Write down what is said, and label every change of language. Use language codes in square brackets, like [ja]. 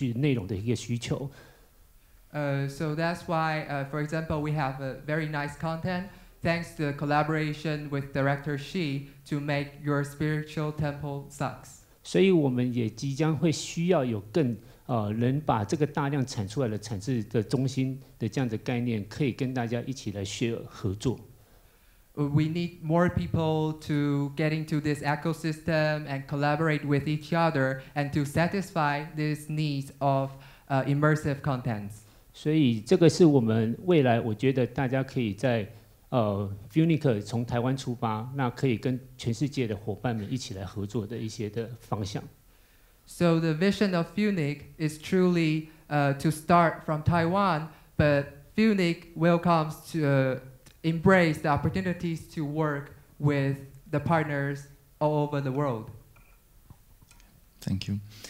[zh] 我们有结合到很好的导演许汉强，然后我们拍出《原神功》这样子的内容，所以我们希望未来它即将会有很大量的内容的一个需求。 [en] So that's why, for example, we have a very nice content thanks to the collaboration with director Xi to make your spiritual temple sucks. [zh] 所以我们也即将会需要有更能把这个大量产出来的产制的中心的这样的概念，可以跟大家一起来 share 合作。 [en] We need more people to get into this ecosystem and collaborate with each other and to satisfy this needs of immersive contents. [zh] 所以这个是我们未来我觉得大家可以在 Funique 从台湾出发，那可以跟全世界的伙伴们一起来合作的一些的方向。 [en] So the vision of Funique is truly to start from Taiwan, but Funique welcomes to embrace the opportunities to work with the partners all over the world. Thank you.